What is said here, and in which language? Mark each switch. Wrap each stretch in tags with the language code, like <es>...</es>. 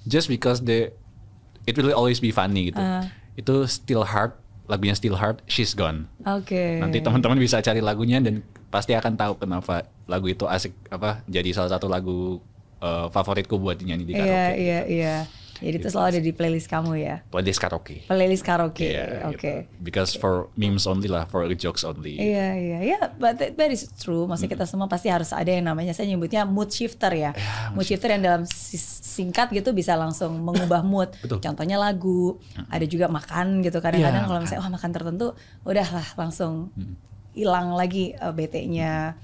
<en>Just because the it will always be funny gitu. Itu Steel Heart, lagunya Steel Heart, She's Gone.</en> <id>Nanti teman-teman bisa cari lagunya dan pasti akan tahu kenapa lagu itu asik, apa jadi salah satu lagu favoritku buat dinyanyi di karaoke. Jadi itu selalu ada di playlist kamu ya? Playlist karaoke. Playlist karaoke, gitu.</id> <en>Because for memes only lah, for jokes only. But that is true.</en> <id>Maksudnya kita semua pasti harus ada yang namanya, saya nyebutnya mood shifter ya. Mood shifter yang dalam singkat gitu bisa langsung mengubah mood. Contohnya lagu, ada juga makan gitu. Kadang-kadang kalau misalnya, wah makan tertentu, udahlah langsung hilang lagi bete-nya.</id>